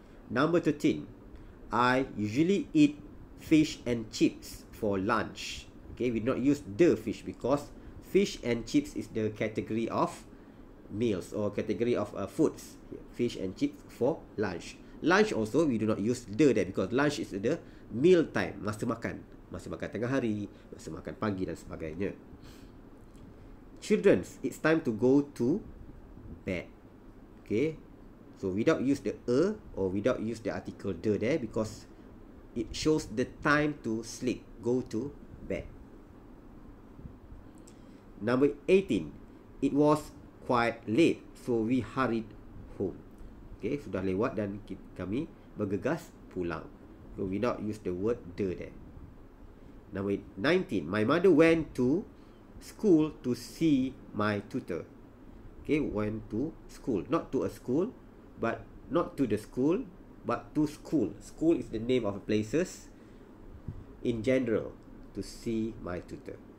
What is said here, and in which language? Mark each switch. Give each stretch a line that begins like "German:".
English: Number 13, I usually eat fish and chips for lunch. Okay, we do not use the fish because fish and chips is the category of meals or category of foods. Fish and chips for lunch. Lunch also, we do not use the there because lunch is the meal time,
Malay: masa makan. Masa makan tengah hari, masa makan pagi dan sebagainya.
English: Children, it's time to go to bed. Okay, so without use the a or without use the article the there because it shows the time to sleep, go to bed. Number 18, it was quite late, so we hurried home.
Malay: Okay, sudah lewat dan kami bergegas pulang.
English: So without use the word the there. Number 19, my mother went to school to see my tutor. Okay, went to school. Not to a school, but not to the school, but to school. School is the name of places in general, to see my tutor.